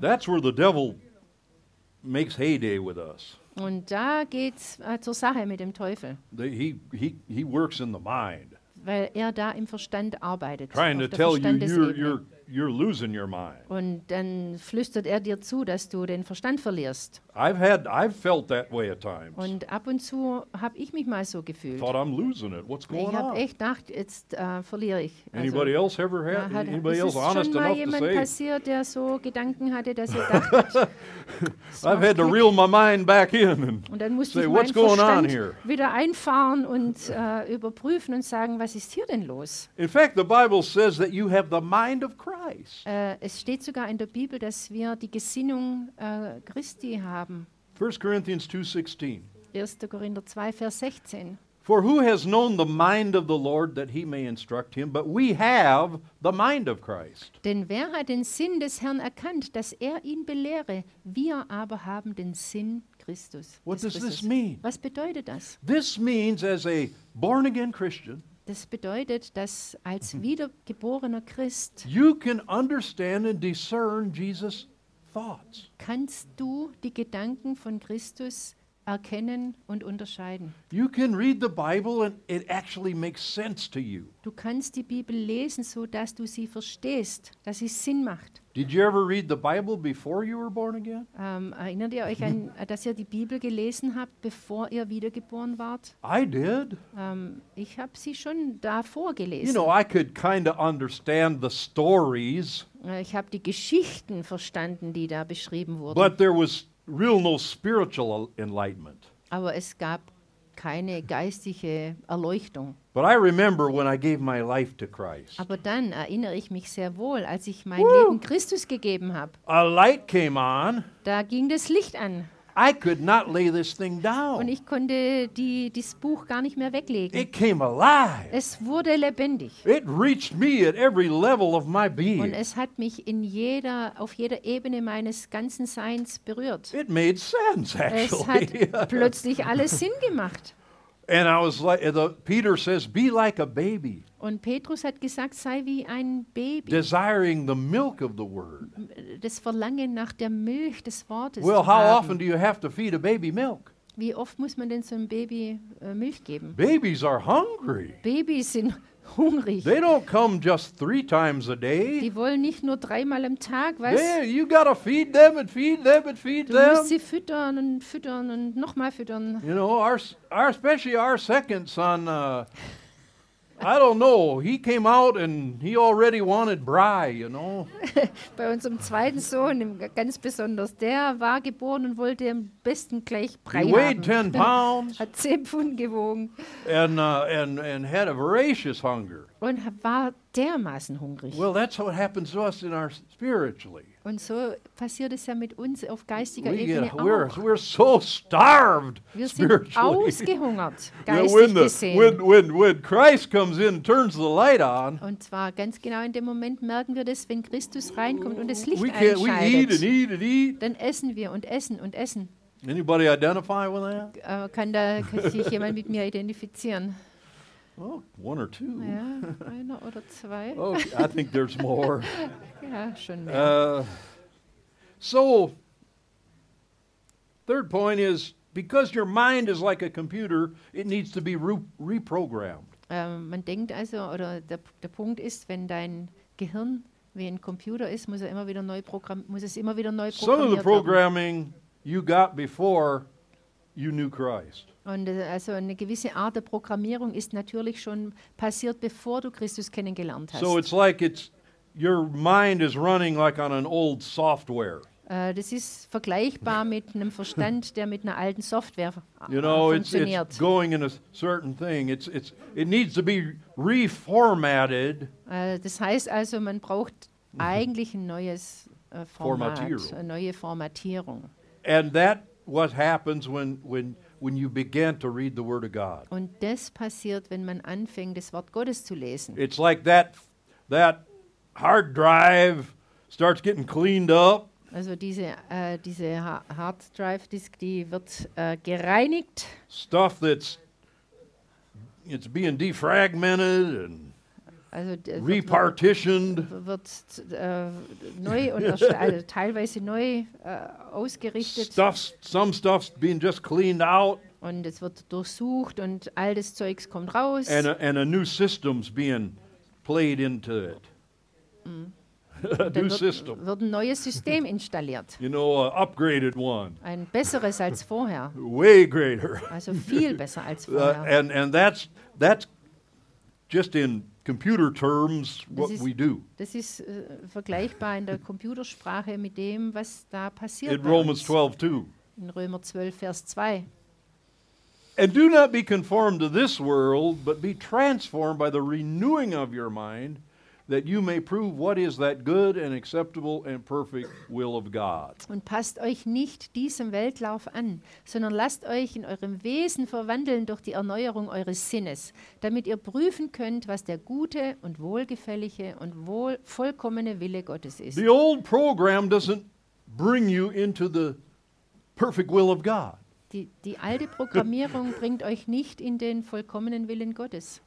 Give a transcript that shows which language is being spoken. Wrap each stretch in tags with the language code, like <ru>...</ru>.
<en>That's where the devil makes heyday with us.</en> <de>Und da geht's zur Sache mit dem Teufel.</de> <en>He works in the mind.</en> <de>Weil er da im Verstand arbeitet.</de> <en>Trying to tell you you're you're losing your mind.</en> <de>Und dann flüstert dir zu, dass du den Verstand verlierst.</de> <en>I've felt that way at times.</en> <de>Und ab und zu habe ich mich mal so gefühlt.</de> <en>Thought I'm losing it. What's going on?</en> <de>Ich habe echt gedacht, jetzt verliere ich.</de> <en>Anybody else ever had? Anybody else honest enough to say?</en> <de>Ist schon mal jemand passiert, der so Gedanken hatte, dass er dachte?</de> <en>I've had to reel my mind back in and say, what's going on here?</en> <de>Wieder einfahren und überprüfen und sagen, was ist hier denn los?</de> <en>In fact, the Bible says that you have the mind of Christ.</en> <de>Es steht sogar in der Bibel, dass wir die Gesinnung Christi haben.</de> <en>1 Corinthians 2:16.</en> <de>1. Korinther 2, Vers 16.</de> <en>For who has known the mind of the Lord that he may instruct him? But we have the mind of Christ.</en> <de>Denn wer hat den Sinn des Herrn erkannt, dass ihn belehre? Wir aber haben den Sinn Christus.</de> <en>What does this mean?</en> <de>Was bedeutet das?</de> <en>This means as a born again Christian.</en> <de>Das bedeutet, dass als wiedergeborener Christ.</de> <en>You can understand and discern Jesus' thoughts.</en> <de>Kannst du die Gedanken von Christus erkennen und unterscheiden.</de> <en>You can read the Bible and it actually makes sense to you.</en> <de>Du kannst die Bibel lesen, so dass du sie verstehst, dass sie Sinn macht.</de> <en>Did you ever read the Bible before you were born again?</en> <de>Erinnert ihr euch an, dass ihr die Bibel gelesen habt, bevor ihr wiedergeboren wart?</de> <en>I did.</en> <de>Ich habe sie schon davor gelesen.</de> <en>You know, I could kind of understand the stories.</en> <de>Ich habe die Geschichten verstanden, die da beschrieben wurden.</de> <en>But there was real no spiritual enlightenment.</en> <de>Aber es gab keine geistige Erleuchtung.</de> <en>But I remember when I gave my life to Christ.</en> <de>Aber dann erinnere ich mich sehr wohl, als ich mein Woo! Leben Christus gegeben habe.</de> <en>A light came on.</en> <de>Da ging das Licht an.</de> <en>I could not lay this thing down.</en> <de>Und ich konnte dieses Buch gar nicht mehr weglegen.</de> <en>It came alive.</en> <de>Es wurde lebendig.</de> <en>It reached me at every level of my being.</en> <de>Und es hat mich in auf jeder Ebene meines ganzen Seins berührt.</de> <en>It made sense, actually.</en> <de>Es hat plötzlich alles Sinn gemacht.</de> <en>And I was like, Peter says, be like a baby.</en> <de>Und Petrus hat gesagt, sei wie ein Baby.</de> <en>Desiring the milk of the word.</en> <de>Das Verlangen nach der Milch des Wortes.</de> <en>Well, how often do you have to feed a baby milk?</en> <de>Wie oft muss man denn so einem Baby Milch geben?</de> <en>Babies are hungry.</en> <de>Babys sind hungrig.</de> <en>They don't come just 3 times a day.</en> <de>Die wollen nicht nur dreimal am Tag, was?</de> <en>You gotta feed them and feed them and feed</en> <de>du</de> <en>them.</en> <de>Du musst sie füttern und füttern und nochmal füttern.</de> <en>You know, especially our second son. I don't know. He came out and he already wanted Brei, you know.</en> <de>Bei unserem zweiten Sohn, ganz besonders, der war geboren und wollte am besten gleich Brei haben.</de> <en>He weighed 10 pounds.</en> <de>Hat 10 Pfund gewogen.</de> <en>And had a voracious hunger.</en> <de>Und war dermaßen hungrig.</de> <en>Well, that's what happens to us in our spiritually.</en> <de>Und so passiert es ja mit uns auf geistiger Ebene</de> <en>we're so starved spiritually.</en> <de>Wir sind ausgehungert, geistig gesehen.</de> <en>When Christ comes in and turns the light on.</en> <de>Und zwar ganz genau in dem Moment merken wir das, wenn Christus reinkommt und das Licht einschaltet.</de> <en>We eat and eat and eat.</en> <de>Dann essen wir und essen und essen.</de> <en>Anybody identify with that?</en> <de>Kann sich jemand mit mir identifizieren?</de> <en>Oh, one or two.</en> <de>Ja, einer oder zwei.</de> <en>Oh, I think there's more.</en> <de>Ja, schon mehr.</de> <en>So, third point is, because your mind is like a computer, it needs to be reprogrammed.</en> <de>Man denkt also, oder der Punkt ist, wenn dein Gehirn wie ein Computer ist, muss es immer wieder neu programmiert werden.</de> <en>Some of the programming you got before you knew Christ.</en> <de>Und also eine gewisse Art der Programmierung ist natürlich schon passiert, bevor du Christus kennengelernt hast.</de> <en>So it's like your mind is running like on an old software.</en> <de>Das ist vergleichbar mit einem Verstand, der mit einer alten Software funktioniert.</de> <en>You know, it's going in a certain thing. It needs to be reformatted.</en> <de>Das heißt also, man braucht eigentlich ein neues Format, eine neue Formatierung.</de> <en>And that what happens when you began to read the Word of God.</en> <de>Und das passiert, wenn man anfängt, das Wort Gottes zu lesen.</de> <en>It's like that hard drive starts getting cleaned up.</en> <de>Also diese Hard Drive Disk, die wird gereinigt.</de> <en>Stuff that's being defragmented and repartitioned.</en> <de>Wird neu und teilweise neu ausgerichtet.</de> <en>Some stuff's being just cleaned out.</en> <de>Und es wird durchsucht und all das Zeugs kommt raus.</de> <en>And a new system's being played into it. system.</en> <de>Wird ein neues System installiert.</de> <en>You know, an upgraded one.</en> <de>Ein besseres als vorher.</de> <en>Way greater.</en> <de>Also viel besser als vorher.</de> <en>And that's just in computer terms what we do.</en> <de>Das ist vergleichbar in der Computersprache mit dem, was da passiert.</de> <en>In Romans 12:2.</en> <de>In Römer 12 Vers 2.</de> <en>And do not be conformed to this world, but be transformed by the renewing of your mind, that you may prove what is that good and acceptable and perfect will of God.</en> <de>Und passt euch nicht diesem Weltlauf an, sondern lasst euch in eurem Wesen verwandeln durch die Erneuerung eures Sinnes, damit ihr prüfen könnt, was der gute und wohlgefällige und vollkommene Wille Gottes ist.</de> <en>The old program doesn't bring you into the perfect will of God.</en> <de>Die alte Programmierung bringt euch nicht in den vollkommenen Willen Gottes.</de>